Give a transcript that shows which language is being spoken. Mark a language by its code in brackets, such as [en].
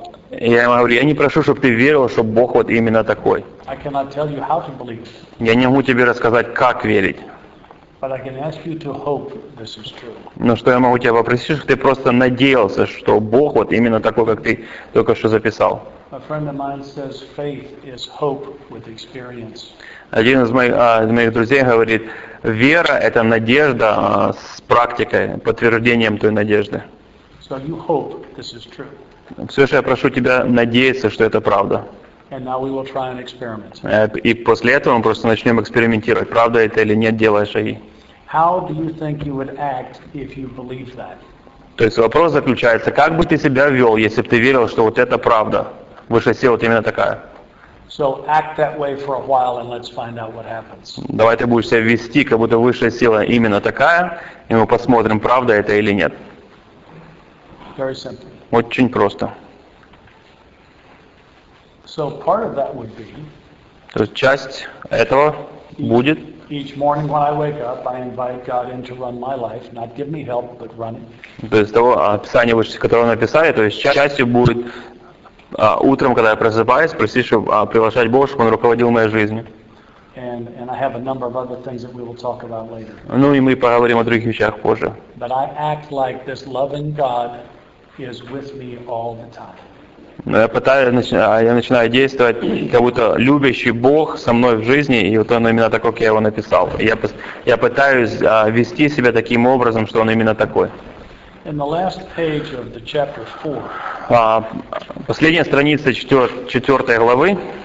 [ru] Я ему говорю, я не прошу, чтобы ты верил, что Бог вот именно такой. [en] I cannot tell you how to believe. [ru] Я не могу тебе рассказать, как верить. [en] But I can ask you to hope this is true. [ru] Но что я могу тебя попросить, чтобы ты просто надеялся, что Бог вот именно такой, как ты только что записал. [en] A friend of mine says faith is hope with experience. [ru] Один из моих друзей говорит, вера это надежда с практикой, подтверждением той надежды. [en] So you hope this is true. [ru] Все, что я прошу тебя надеяться, что это правда. [en] And now we will try an experiment. [ru] И после этого мы просто начнем экспериментировать, правда это или нет, делая шаги. [en] How do you think you would act if you believed that? [ru] То есть вопрос заключается, как бы ты себя вел, если бы ты верил, что вот это правда, высшая сила вот именно такая? [en] So act that way for a while and let's find out what happens. [ru] Давай ты будешь себя вести, как будто высшая сила именно такая, и мы посмотрим, правда это или нет. [en] Very simple. [ru] Очень просто. [en] So part of that would be, [ru] то есть часть этого будет. [en] Each morning when I wake up, I invite God in to run my life, not give me help, but run it. [ru] То есть того описания, которое он описали, то есть частью будет утром, когда я просыпаюсь, просить, чтобы приглашать Бога, чтобы он руководил моей жизнью. [en] And I have a number of other things that we will talk about later. [ru] Ну и мы поговорим о других вещах позже. [en] But I act like this loving God is with me all the time. [ru] Я начинаю действовать, как будто любящий Бог со мной в жизни, и вот он именно такой, как я его написал. Я пытаюсь вести себя таким образом, что он именно такой. [en] In the last page of the chapter 4, [ru] последняя страница 4 главы.